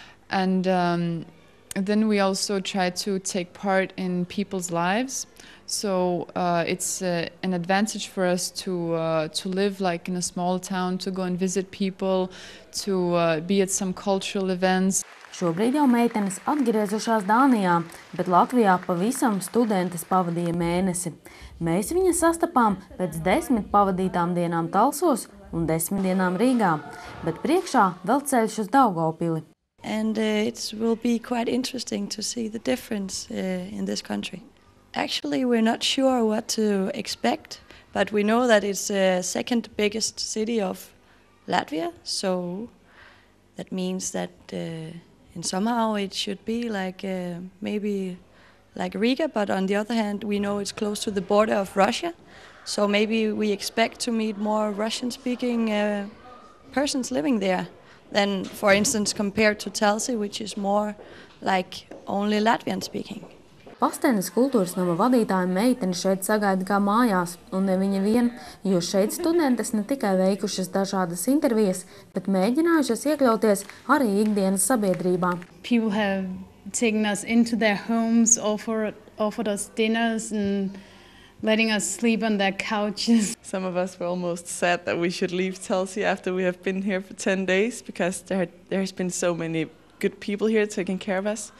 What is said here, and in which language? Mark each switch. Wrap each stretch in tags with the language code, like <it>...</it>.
<en>And then we also try to take part in people's lives, so it's an advantage for us to live like in a small town, to go and visit people, to be at some cultural events.</en> <lv>Šobrīd jau meitenes atgriezušās Dānijā, bet Latvijā pavisam studentes pavadīja mēnesi. Mēs viņas sastapām pēc 10 pavadītām dienām Talsos un 10 dienām Rīgā, bet priekšā vēl ceļš uz Daugavpili.</lv> <en>And it will be quite interesting to see the difference in this country. Actually, we're not sure what to expect, but we know that it's the second biggest city of Latvia, so that means that in somehow it should be like maybe like Riga, but on the other hand we know it's close to the border of Russia, so maybe we expect to meet more Russian speaking persons living there than, for instance, compared to Talsi, which is more like only Latvian speaking.</en> <lv>Pastenes kultūras nama vadītāja meitene šeit sagaida kā mājās, un ne viņa vien, jo šeit studentes ne tikai veikušas dažādas intervijas, bet mēģinājušas iekļauties arī ikdienas sabiedrībā.</lv> <en>People have taken us into their homes, offered us dinners and letting us sleep on their couches. Some of us were almost sad that we should leave Talsi after we have been here for 10 days, because there's been so many good people here taking care of us.</en>